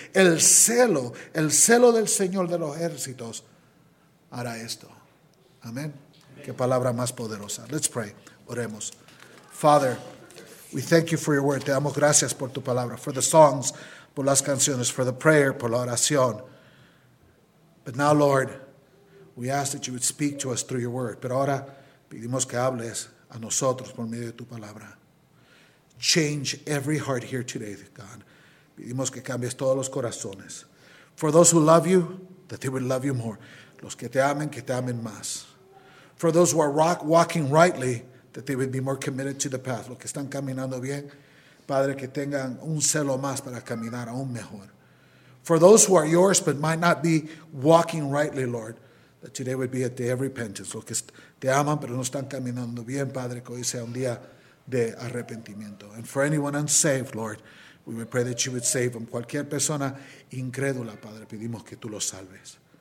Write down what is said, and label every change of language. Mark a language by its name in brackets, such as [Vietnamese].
[Spanish] El celo del Señor de los ejércitos hará esto. Amén. Qué palabra más poderosa. [English] Let's pray. [Spanish] Oremos. [English] Father, we thank you for your word. [Spanish] Te damos gracias por tu palabra. [English] For the songs, [Spanish] por las canciones, [English] for the prayer, [Spanish] por la oración. [English] But now, Lord, we ask that you would speak to us through your word. [Spanish] Pero ahora pedimos que hables a nosotros por medio de tu palabra. [English] Change every heart here today, God. [Spanish] Pedimos que cambies todos los corazones. [English] For those who love you, that they would love you more. [Spanish] Los que te amen más. [English] For those who are walking rightly, that they would be more committed to the path. [Spanish] Los que están caminando bien, Padre, que tengan un celo más para caminar aún mejor. [English] For those who are yours but might not be walking rightly, Lord, that today would be a day of repentance. [Spanish] Los que te aman pero no están caminando bien, Padre, que hoy sea un día de arrepentimiento. [English] And for anyone unsaved, Lord, we would pray that you would save them. [Spanish] Cualquier persona incrédula, Padre, pedimos que tú los salves.